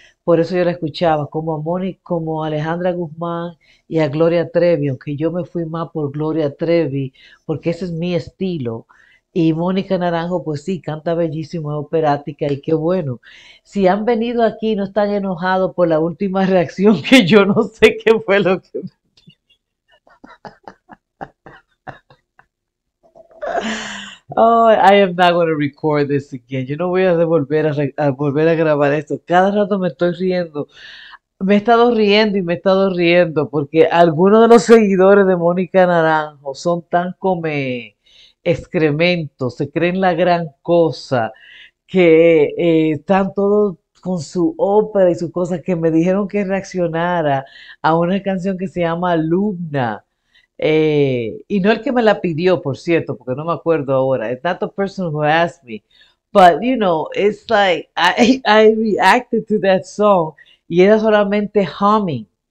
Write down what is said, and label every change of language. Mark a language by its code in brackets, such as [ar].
[es] Por eso yo la escuchaba, como a Moni, como a Alejandra Guzmán y a Gloria Trevi, aunque yo me fui más por Gloria Trevi, porque ese es mi estilo. Y Mónica Naranjo, pues sí, canta bellísimo, es operática y qué bueno. Si han venido aquí, no están enojados por la última reacción, que yo no sé qué fue lo que me... [en] Oh, I am not going to record this again. [es] Yo no voy a volver a grabar esto. Cada rato me estoy riendo. Me he estado riendo y me he estado riendo porque algunos de los seguidores de Mónica Naranjo son tan come excremento, se creen la gran cosa, que están todos con su ópera y sus cosas, que me dijeron que reaccionara a una canción que se llama Alumna. Y no el que me la pidió, por cierto, porque no me acuerdo ahora. [en] It's not the person who asked me. But, you know, it's like I reacted to that song [es] y era solamente [en] humming.